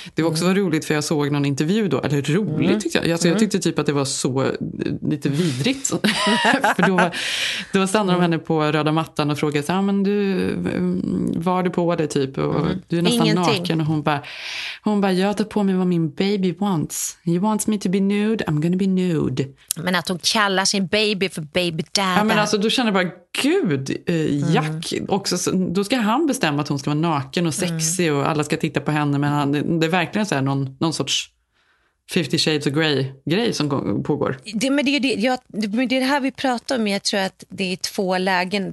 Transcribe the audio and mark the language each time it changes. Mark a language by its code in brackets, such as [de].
[sv] Det var också var roligt, för jag såg någon intervju då. Eller roligt, tyckte jag. Alltså, jag tyckte typ att det var så lite vidrigt. För då stannade de henne på röda mattan och frågade så här, men du, var du på det typ? Och du är nästan ingenting naken. Och hon bara, jag tar på mig vad min baby wants. [en] He wants me to be nude, I'm gonna be nude. [sv] Men att hon kallar sin baby för baby dad. Ja, men alltså då känner jag bara, gud, Jack också. Då ska han bestämma att hon ska vara naken och sexy och alla ska titta på henne. Men det är verkligen så här någon sorts 50 Shades of Grey-grej som pågår. Det är det här vi pratar om. Jag tror att det är två lägen.